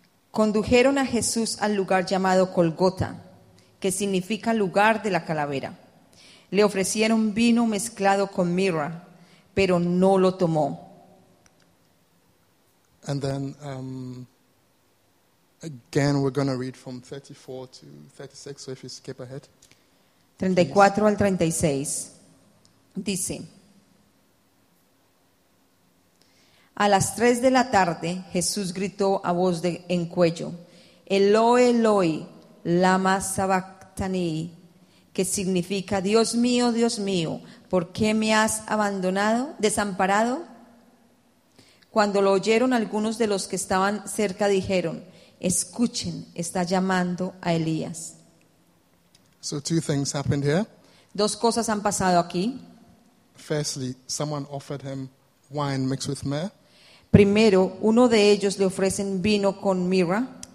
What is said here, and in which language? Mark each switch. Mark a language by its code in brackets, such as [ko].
[es] Condujeron a Jesús al lugar llamado Golgota, que significa lugar de la calavera. Le ofrecieron vino mezclado con mirra, pero no lo tomó. [en] And then, again, we're going to read from 34 to 36, so if you skip ahead. [es] 34 al 36. Dice, a las 3 de la tarde, Jesús gritó a voz en cuello, [arc] Eloi, Eloi, lama sabachthani, [es] que significa Dios mío, ¿por qué me has abandonado, desamparado? Cuando lo oyeron, algunos de los que estaban cerca dijeron, escuchen, está llamando a Elías. [en] So two things happened here. [es] Dos cosas han pasado aquí. [en] Firstly, someone offered him wine mixed with myrrh. [es] Primero, uno de ellos le ofrecen vino con mirra.